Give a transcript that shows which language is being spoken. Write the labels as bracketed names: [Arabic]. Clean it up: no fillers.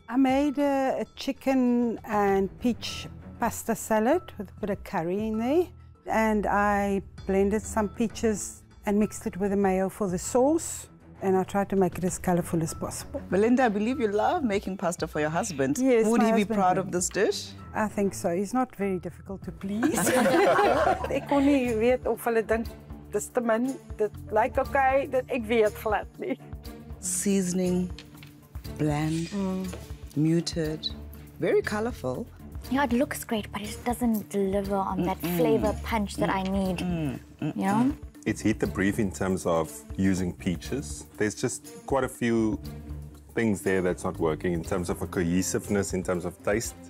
[English] I made a chicken and peach pasta salad with a bit of curry in there. And I blended some peaches and mixed it with the mayo for the sauce, and I tried to make it as colorful as possible. Belinda, I believe you love making pasta for your husband. Yes, would he be proud of this dish? I think so. He's not very difficult to please. [Afrikaans] Ek kon nie weet of hulle dink dis te min, dit lyk okay, dit ek weet glad nie. [English] Seasoning, bland, muted, very colorful. Yeah, it looks great, but it doesn't deliver on that flavor punch that I need. You know? It's hit the brief in terms of using peaches. There's just quite a few things there that's not working in terms of a cohesiveness, in terms of taste.